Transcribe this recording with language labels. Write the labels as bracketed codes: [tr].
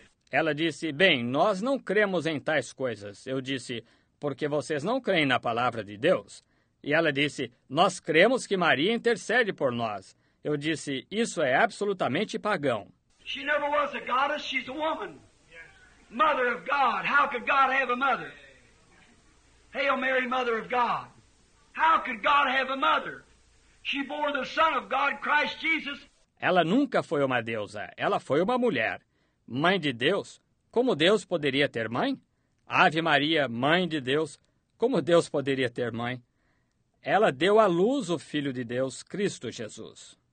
[pt] Ela disse, bem, nós não cremos em tais coisas. Eu disse, porque vocês não creem na palavra de Deus. E ela disse, nós cremos que Maria intercede por nós. Eu disse, isso é absolutamente pagão. [en] She never was a goddess, she's a woman. Mother of God, how could God have a mother? Hail Mary, Mother of God. How could God have a mother? She bore the Son of God, Christ Jesus. [pt] Ela nunca foi uma deusa, ela foi uma mulher. Mãe de Deus? Como Deus poderia ter mãe? Ave Maria, Mãe de Deus, como Deus poderia ter mãe? Ela deu à luz o Filho de Deus, Cristo Jesus.